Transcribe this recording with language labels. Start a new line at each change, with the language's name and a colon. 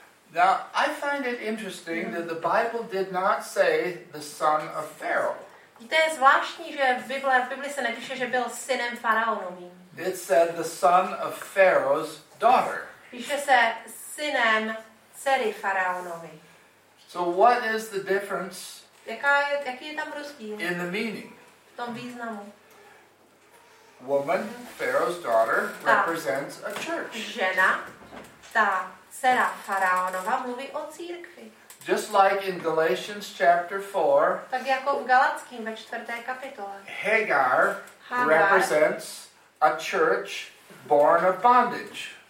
English: Now, I find it interesting that the Bible did not say the son of Pharaoh.
Czech: Víte, je zvláštní, že v Bibli se nepíše, že byl synem faraonovým.
English: It said the son of Pharaoh's daughter.
Czech: Píše se synem dcery faraonovy.
English: So what is the difference?
Czech: Jaký je tam rozdíl?
English: In the meaning.
Czech: V tom významu.
English: Woman, Pharaoh's daughter, represents a church.
Czech: Žena, ta dcera faraonova, mluví o církvi.
English: Just like in Galatians chapter 4.
Czech: Tak jako v Galackým ve 4. kapitole.
English: Hagar represents a church born of bondage.